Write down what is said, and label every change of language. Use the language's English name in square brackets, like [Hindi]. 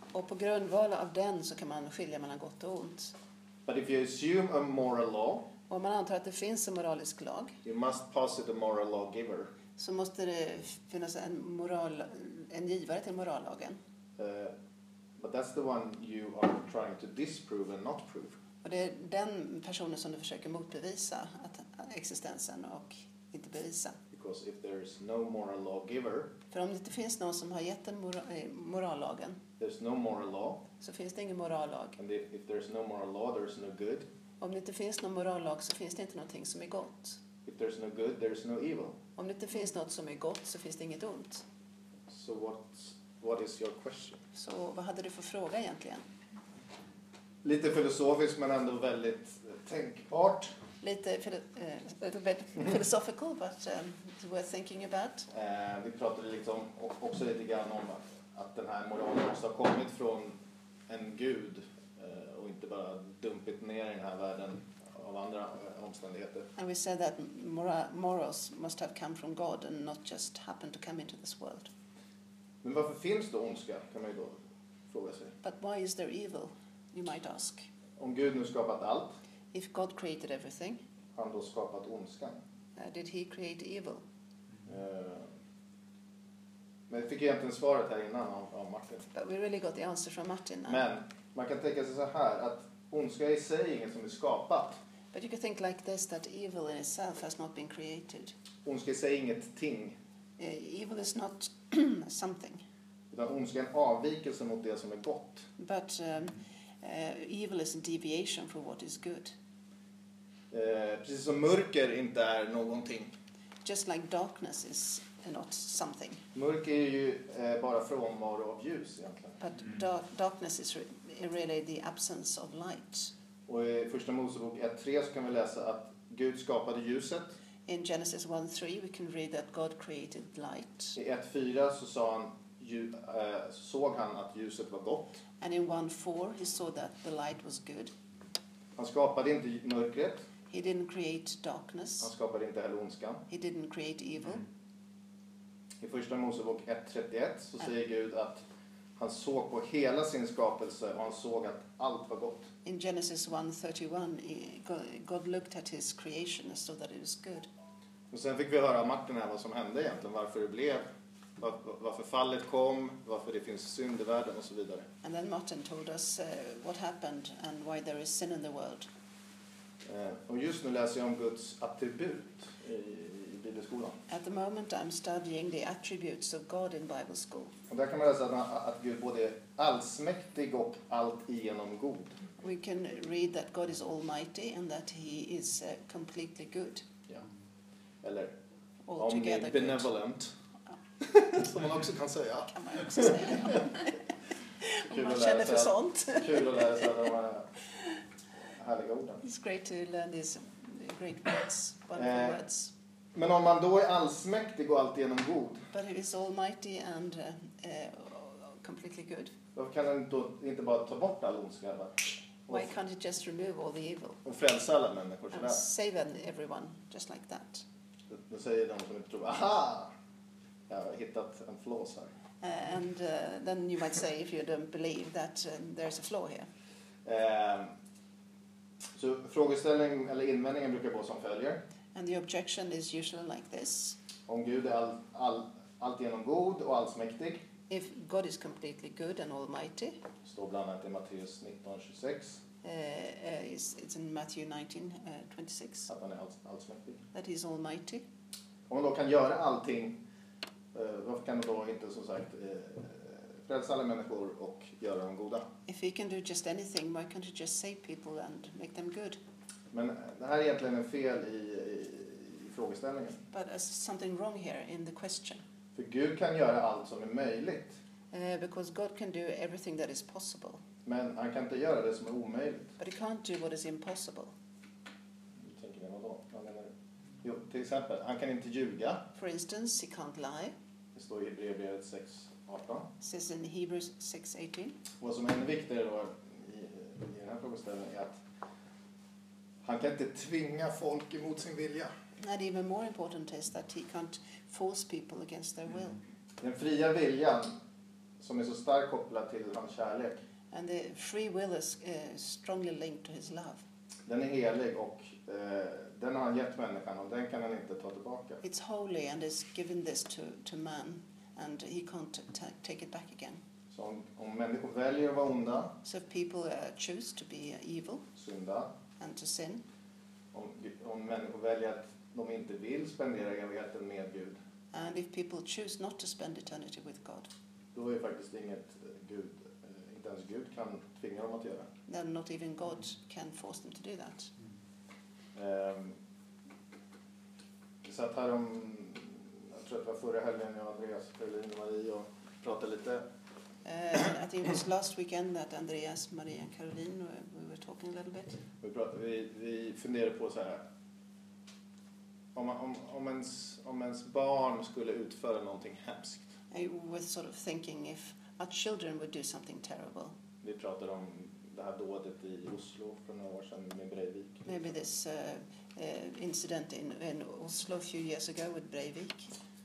[Swedish] Och på grundval av den så kan man skilja mellan gott och ont. [English] But if you assume a moral law. [Swedish] Och om man antar att det finns en moralisk lag. [English] You must posit a moral lawgiver. [Swedish] Så måste det finnas en givare till morallagen. [English] But that's the one you are trying to disprove and not prove. [Swedish] Och det är den personen som du försöker motbevisa att existensen och inte bevisa. [English] Because if there is no moral lawgiver, [Swedish] för om det inte finns någon som har gett den morallagen, [English] there's no moral law, [Swedish] så finns det ingen morallag. [English] And if there's no moral law, there's no good. [Swedish] Om det inte finns någon morallag så finns det inte någonting som är gott. [English] If there's no good, there's no evil. [Swedish] Om det inte finns något som är gott så finns det inget ont. [English] So what is your question? [Swedish] Så vad hade du för fråga egentligen? Lite filosofiskt men ändå väldigt tänkbart. [English] Lite little bit philosophical but worth thinking about. [Swedish] Vi pratade liksom också lite grann om att den här moralen också har kommit från en gud och inte bara dumpit ner i den här världen av andra omständigheter. [English] And we said that morals must have come from God and not just happened to come into this world. [Swedish] Men varför finns det ondska, kan man ju då fråga sig. [English] But why is there evil, you might ask. [Swedish] Om Gud nu skapat allt. [English] If God created everything. [Swedish] Har han då skapat ondskan? [English] Did he create evil? [Swedish] Men jag fick egentligen svaret här innan av Martin. [English] But we really got the answer from Martin now. [Swedish] Men man kan tänka sig så här, att ondska i sig är inget som är skapat. [English] But you could think like this, that evil in itself has not been created. [Swedish] Ondska i sig är inget ting. [English] Evil is not something. [Swedish] Utan ondska är en avvikelse mot det som är gott. [English] But evil is a deviation from what is good. [Swedish] Precis som mörker inte är någonting. [English] Just like darkness is not something. [Swedish] Mörker är ju bara frånvaro av ljus egentligen. [English] But darkness is really the absence of light. [Swedish] Och i första Mosebok 1:3 så kan vi läsa att Gud skapade ljuset. [English] In Genesis 1:3 we can read that God created light. [Swedish] I 1:4 så sa han såg han att ljuset var gott. [English] And in 1:4 he saw that the light was good. [Swedish] Han skapade inte mörkret. [English] He didn't create darkness. [Swedish] Han skapade inte heller ondskan. [English] He didn't create evil. [Swedish] I första Mosebok 1:31 så säger Gud att han såg på hela sin skapelse och han såg att allt var gott. [English] In Genesis 1:31 God looked at his creation and saw that it was good. [Swedish] Och sen fick vi höra av Martin här vad som hände egentligen, varför det blev, varför fallet kom, varför det finns synd i världen och så vidare. [English] And then Martin told us what happened and why there is sin in the world. [Swedish] Och just nu läser jag om Guds attribut i bibelskolan. [English] At the moment I'm studying the attributes of God in Bible school. [Swedish] Och där kan man läsa att Gud både är allsmäktig och allt igenom god. [English] We can read that God is almighty and that he is completely good. [Swedish] Yeah. Eller omnibenevolent. Som man också kan säga. Kan man också säga. Om man känner för sånt. Kul att läsa de här härliga orden. [English] It's great to learn these great words, wonderful words. [Swedish] Men om man då är allsmäktig och alltigenom god. [English] But he is almighty and completely good. [Swedish] Varför kan han då inte bara ta bort all ondska? [English] Why can't he just remove all the evil? [Swedish] Och frälsa alla människor sådär. [English] And save everyone, just like that. [Swedish] Då säger de som inte tror, aha! Jag har hittat en flås här. [English] And then you might say, if you don't believe that there's a flaw here. [Swedish] Så frågeställning eller invändningen brukar gå som följer. [English] And the objection is usually like this. [Swedish] Om Gud är alltigenom god och allsmäktig. [English] If God is completely good and almighty. [Swedish] Står bland annat i Matteus 19:26. [English] It's in Matthew 19:26. [Swedish] Att han är allsmäktig. [English] That he is almighty. [Swedish] Om han då kan göra allting, varför kan han då inte som sagt frälsa alla människor och göra dem goda? [English] If he can do just anything, why can't he just save people and make them good? [Swedish] Men det här är egentligen en fel i frågeställningen. [English] But there's something wrong here in the question. [Swedish] För Gud kan göra allt som är möjligt. [English] Because God can do everything that is possible. [Swedish] Men han kan inte göra det som är omöjligt. [English] But he can't do what is impossible. [Swedish] Du tänker det, vadå? Vad menar du? Jo, till exempel, han kan inte ljuga. [English] For instance, he can't lie. [Swedish] Det står i Hebreerbrevet 6:18. [English] Says in Hebrews 6:18. [Swedish] Vad som är viktigare då i den här frågeställningen är att han kan inte tvinga folk emot sin vilja. [English] And even more important is that he can't force people against their will. [Swedish] Den fria viljan som är så starkt kopplad till hans kärlek. [English] And the free will is strongly linked to his love. [Swedish] Den är helig och den har han gett människan och den kan han inte ta tillbaka. [English] It's holy and is given this to man and he can't take it back again. [Swedish] Så om människor väljer att vara onda. [English] So if people choose to be evil. [Swedish] Synda. [English] And to sin. [Swedish] Om människor väljer att de inte vill spendera evigheten med Gud. [English] And if people choose not to spend eternity with God. [Swedish] Då är faktiskt inget Gud. Inte ens Gud kan tvinga dem att göra. [English] Then not even God can force them to do that. [Swedish] Så att här om jag tror att det var förra helgen jag och Andreas Pellin och Marie och pratade lite. [English] I think it was last weekend that Andreas, Maria and Caroline we were talking a little bit. [Swedish] Vi funderade på så här. Om ens barn skulle utföra någonting hemskt. [English] I was sort of thinking if our children would do something terrible. [Swedish] Vi pratade om det här dådet i Oslo för några år sedan med Breivik. [English] Maybe this incident in Oslo a few years ago with Breivik.